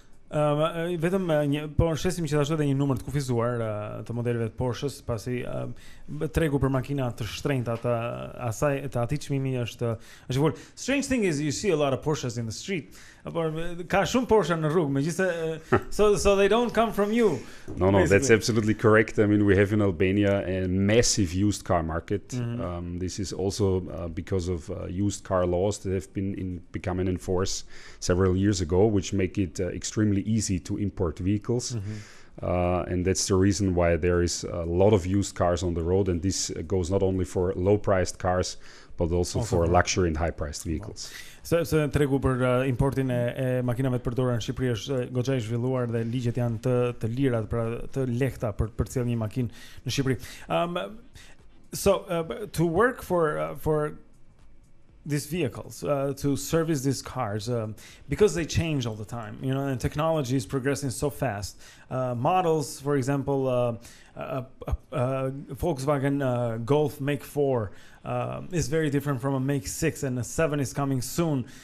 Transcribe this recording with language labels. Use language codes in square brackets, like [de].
[sq] Vetëm një, po shesim që ashtu edhe një numër të kufizuar të modeleve të Porsche, pasi tregu për makina të shtrenjta të asaj të atij çmimi është vol. [en] Strange thing is you see a lot of Porsches in the street. [sq] Por ka shumë Porsche në rrugë, megjithëse [en] so they don't come from you. No, basically. That's absolutely correct. I mean, we have in Albania a massive used car market. This is also because of used car laws that have become in force several years ago, which make it extremely easy to import vehicles. And that's the reason why there is a lot of used cars on the road, and this goes not only for low-priced cars but also for luxury and high-priced vehicles. [sq] Se tregu për importin e makinave të përdorura në Shqipëri është goxha e zhvilluar dhe ligjet janë të lira, pra të lehta për të cilë një makinë në Shqipëri. [en] To work for these vehicles, to service these cars, because they change all the time, you know, and technology is progressing so fast. Models, for example, Volkswagen Golf Make 4 is very different from a Make 6, and a 7 is coming soon.